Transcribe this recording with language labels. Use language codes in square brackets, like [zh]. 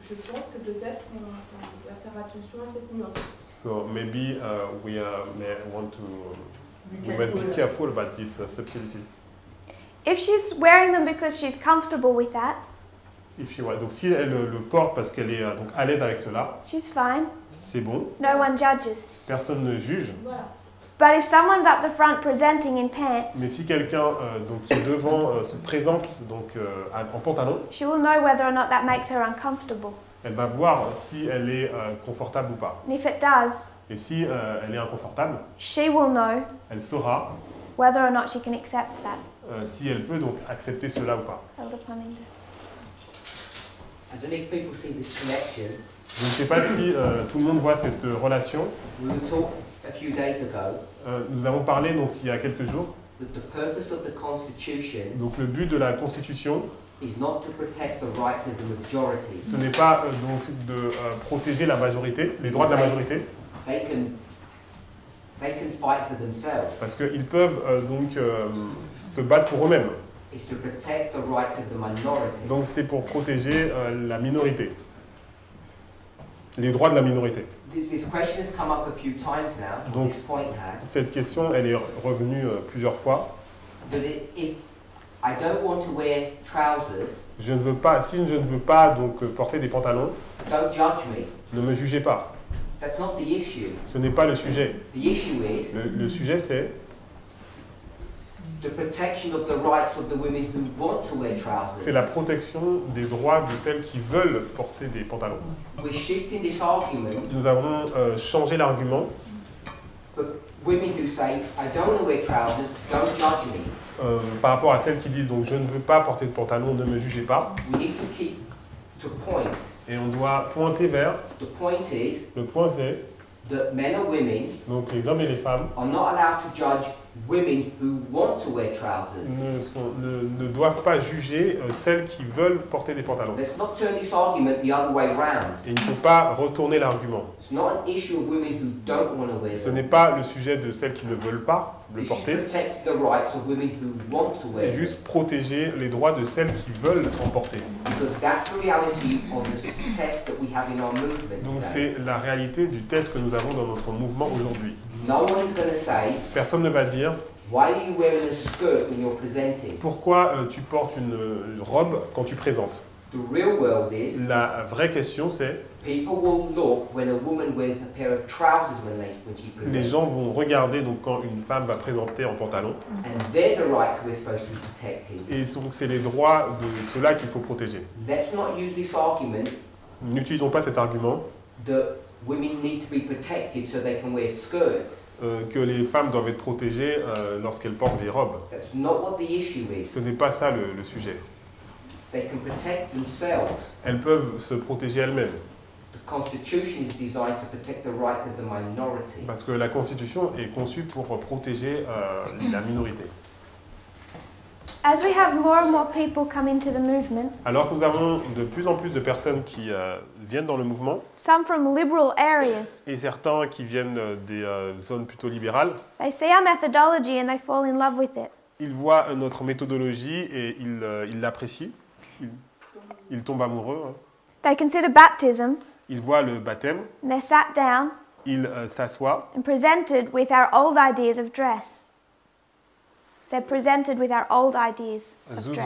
[fr] je pense que peut-être on va faire attention à cette nuance. [en] So maybe we may want to be careful about this subtlety. If she's wearing them because she's comfortable with that. If she wears, [fr] donc si elle le porte parce qu'elle est donc à l'aise avec cela. [en] She's fine. [fr] C'est bon. [en] No one judges. [fr] Personne ne juge. Voilà. [en] But if someone's up the front presenting in pants. [fr] Mais si quelqu'un donc qui est devant se présente donc en pantalon. [en] She will know whether or not that makes her uncomfortable. [fr] Elle va voir si elle est confortable ou pas. [en] And if it does. [fr] Et si elle est inconfortable. [en] She will know. [fr] Elle saura. [en] Whether or not she can accept that. [fr] Si elle peut donc accepter cela ou pas. [en] Elder Plumminger. I don't know if people see this connection. [fr] Je ne sais pas si tout le monde voit cette relation. [en] We were talking a few days ago. [fr] Nous avons parlé donc il y a quelques jours. [en] The purpose of the Constitution. [fr] Donc le but de la Constitution. [en] Is not to protect the rights of the majority. [fr] Ce n'est pas donc de protéger la majorité, les droits de la majorité. [en] They can fight for themselves. [fr] Parce qu'ils peuvent donc se battre pour eux-mêmes. [en] Is to protect the rights of the minority. [fr] Donc c'est pour protéger la minorité, les droits de la minorité. [en] This question has come up a few times now. [fr] Donc [en] this point has. [fr] Cette question, elle est revenue plusieurs fois. [en] I don't want to wear trousers. [fr] Je ne veux pas, si je ne veux pas donc porter des pantalons. [en] Don't judge me. [fr] Ne me jugez pas. [en] That's not the issue. [fr] Ce n'est pas le sujet. [en] The issue is. [fr] Le sujet c'est. [en] The protection of the rights of the women who want to wear trousers. [fr] C'est la protection des droits de celles qui veulent porter des pantalons. [en] We shift in this argument. [fr] Nous avons changé l'argument. [en] But women who say, I don't want to wear trousers, don't judge me. [fr] Par rapport à celles qui disent, donc je ne veux pas porter de pantalons, ne me jugez pas. [en] We need to keep to point. [fr] Et on doit pointer vers. [en] The point is. [fr] Le point c'est. [en] That men or women. [fr] Donc les hommes et les femmes. [en] Are not allowed to judge. Women who want to wear trousers. [fr] Ne doivent pas juger celles qui veulent porter des pantalons. [en] Let's not turn this argument the other way around. [fr] Et il ne faut pas retourner l'argument. [en] It's not an issue of women who don't want to wear. [fr] Ce n'est pas le sujet de celles qui ne veulent pas le porter. [en] It's to protect the rights of women who want to wear. [fr] C'est juste protéger les droits de celles qui veulent en porter. [en] Because that's the reality of the test that we have in our movement today. [fr] Donc c'est la réalité du test que nous avons dans notre mouvement aujourd'hui. [en] No one is going to say. [fr] Personne ne va dire. [en] Why are you wearing a skirt when you're presenting? [fr] Pourquoi tu portes une robe quand tu présentes? [en] The real world is. [fr] La vraie question c'est. [en] People will look when a woman wears a pair of trousers when she presents. [fr] Les gens vont regarder donc quand une femme va présenter en pantalon. [en] And they're the rights we're supposed to be protecting. [fr] Et donc c'est les droits de ceux-là qu'il faut protéger. [en] Let's not use this argument. [fr] N'utilisons pas cet argument. [en] Women need to be protected so they can wear skirts. [fr] Que les femmes doivent être protégées lorsqu'elles portent des robes. [en] That's not what the issue is. [fr] Ce n'est pas ça le sujet. [en] They can protect themselves. [fr] Elles peuvent se protéger elles-mêmes. [en] The Constitution is designed to protect the rights of the minority. [fr] Parce que la Constitution est conçue pour protéger la minorité. [en] As we have more and more people come into the movement. [fr] Alors que nous avons de plus en plus de personnes qui viennent dans le mouvement. [en] Some from liberal areas. [fr] Et certains qui viennent des zones plutôt libérales. [en] They see our methodology and they fall in love with it. [fr] Ils voient notre méthodologie et ils l'apprécient. Ils tombent amoureux. [en] They consider baptism. [fr] Ils voient le baptême. [en] And they sat down. [fr] Ils s'assoient. [en] And presented with our old ideas of dress. They're presented with our old ideas of dress.